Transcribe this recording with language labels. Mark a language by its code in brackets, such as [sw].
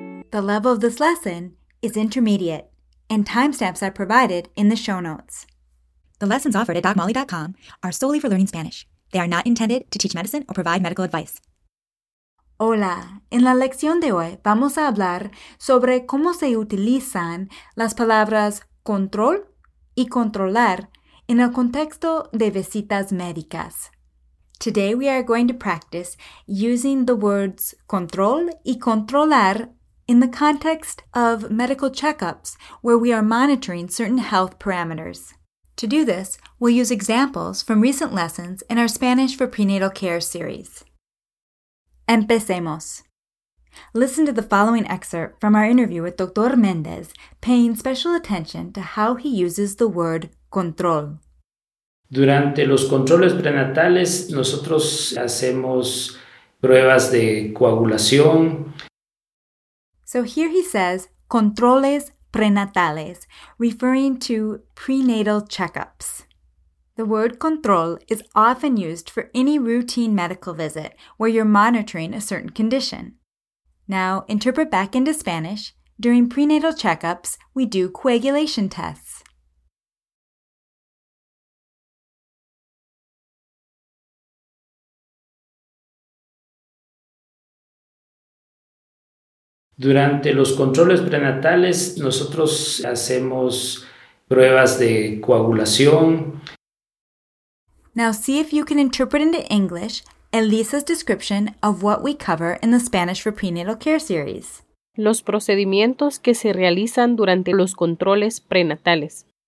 [en] The level of this lesson is intermediate, and timestamps are provided in the show notes. The lessons offered at DocMolly.com are solely for learning Spanish. They are not intended to teach medicine or provide medical advice. [es] Hola, en la lección de hoy vamos a hablar sobre cómo se utilizan las palabras control y controlar en el contexto de visitas médicas. [en] Today we are going to practice using the words control y controlar in the context of medical checkups where we are monitoring certain health parameters. To do this, we'll use examples from recent lessons in our Spanish for Prenatal Care series. [es] Empecemos. [en] Listen to the following excerpt from our interview with Dr. Méndez, paying special attention to how he uses the word control. [es] Durante los controles prenatales, nosotros hacemos pruebas de coagulación. [en] So here he says, controles prenatales, referring to prenatal checkups. The word control is often used for any routine medical visit where you're monitoring a certain condition. Now, interpret back into Spanish. During prenatal checkups, we do coagulation tests. [es] Durante los controles prenatales, nosotros hacemos pruebas de coagulación. [en] Now see if you can interpret into English Elisa's description of what we cover in the Spanish for Prenatal Care series. [es] Los procedimientos que se realizan durante los controles prenatales.